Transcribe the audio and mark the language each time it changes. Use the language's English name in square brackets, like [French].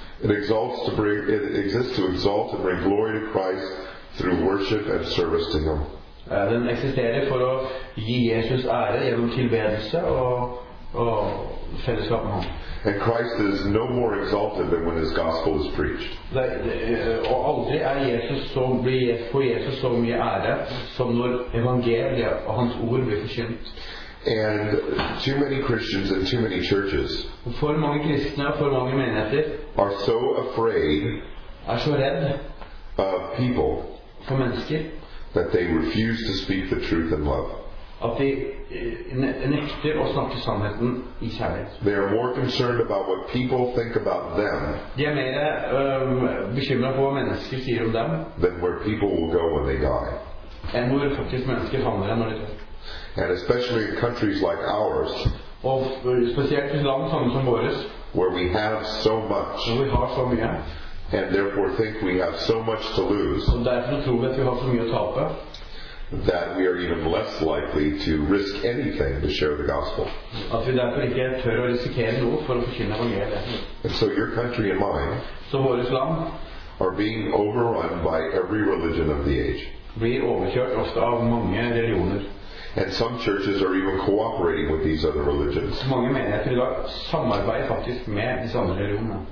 [English] It exists to exalt and bring glory to Christ through worship and service to Him. [Norwegian] Den eksisterer for å gi Jesus ære gjennom tilbedelse og fellesskap med ham. [English] And Christ is no more exalted than when His gospel is preached. [Norwegian] Og aldri blir Jesus så mye ære som når evangeliet og hans ord blir forkynt. [English] And too many Christians and too many churches [Norwegian] for mange kristne, for mange menigheter, [English] are so afraid of people [Norwegian] for mennesker, [English] that they refuse to speak the truth in love. [Norwegian] at de nekter å snakke sannheten I kjærlighet. [English] They are more concerned about what people think about them. [Norwegian] De mer bekymret på hva mennesker sier om dem. [English] Than where people will go when they die. [Norwegian] Enn hvor faktisk mennesker havner når de dør. [English] And especially in countries like ours. [Norwegian] Og spesielt I land som våres. [English] Where we have so much. [Norwegian] Når vi har så mye. [English] And therefore think we have so much to lose. [Norwegian] Og derfor tror vi at vi har så mye å tape. [English] That we are even less likely to risk anything to share the gospel. [Norwegian] At vi derfor ikke tør å risikere noe for å forkynne evangeliet. [English] And so your country and mine. [Norwegian] Så våres land. [English] Are being overrun by every religion of the age. [Norwegian] Blir overkjørt ofte av mange religioner. [English] And some churches are even cooperating with these other religions. [Norwegian] Mange menigheter I dag samarbeider faktisk med disse andre religionene.